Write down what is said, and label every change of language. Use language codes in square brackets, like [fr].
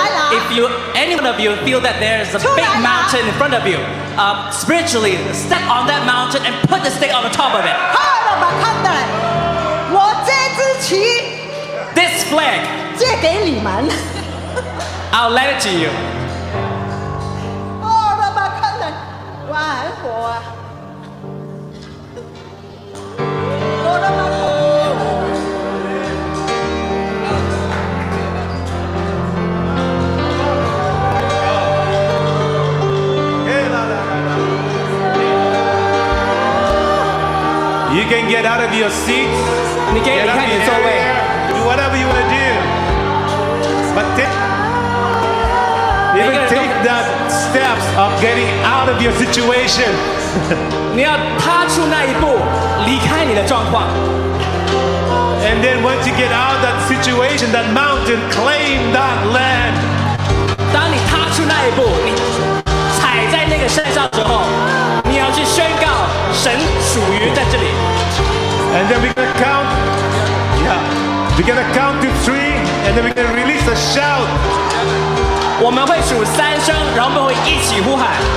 [en] If anyone of you feel that there is a big mountain in front of you, spiritually, step on that mountain and put the stake on the top of it. [zh] 好了吧，看到了，我这支旗。 [en] This flag, [zh] 借给你们, [en] I'll lend it to you. Oh, Rabbi, come on. Wow, I'm poor. You can get out of your seat. You can get out of your seat. Whatever you want to do, but take that steps of getting out of your situation. [zh] 你要踏出那一步，离开你的状况。 [en] And then once you get out of that situation, that mountain, claim that land. [zh] 当你踏出那一步，你踩在那个山上之后，你要去宣告神属于在这里。 [en] And then we're gonna count. Yeah. We gonna count to three, and then we gonna release a shout. [zh] 我们会数三声，然后我们会一起呼喊。